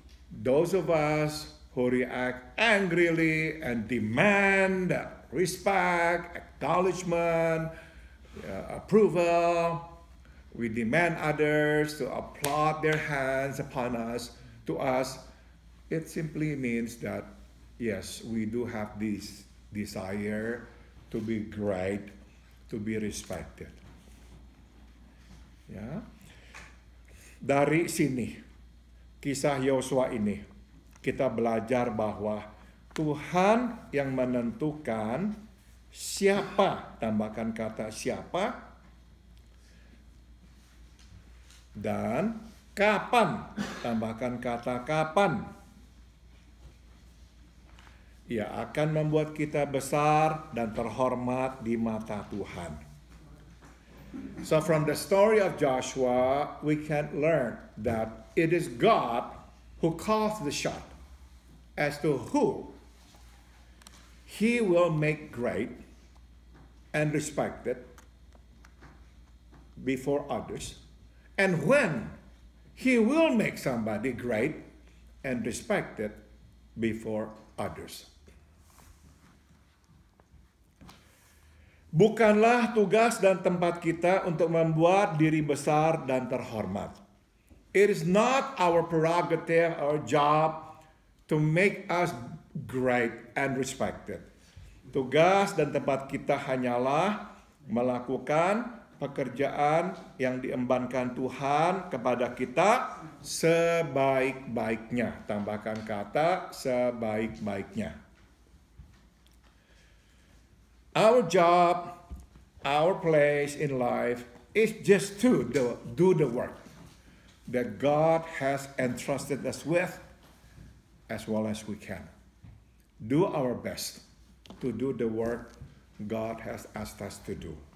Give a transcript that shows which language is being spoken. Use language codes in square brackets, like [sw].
[en] Those of us who react angrily and demand respect, acknowledgement, approval, we demand others to applaud their hands upon us, to us, it simply means that, yes, we do have this desire to be great, to be respected. [id] Ya. Dari sini, kisah Yosua ini, kita belajar bahwa Tuhan yang menentukan siapa, tambahkan kata siapa, dan kapan, tambahkan kata kapan, ia akan membuat kita besar dan terhormat di mata Tuhan. [en] So from the story of Joshua, we can learn that it is God who calls the shot as to who He will make great and respected before others, and when He will make somebody great and respected before others. [id] Bukanlah tugas dan tempat kita untuk membuat diri besar dan terhormat. [en] It is not our prerogative or job to make us great and respected. [id] Tugas dan tempat kita hanyalah melakukan pekerjaan yang diembankan Tuhan kepada kita sebaik-baiknya. Tambahkan kata sebaik-baiknya. [en] Our job, our place in life is just to do the work that God has entrusted us with as well as we can. Do our best to do the work God has asked us to do.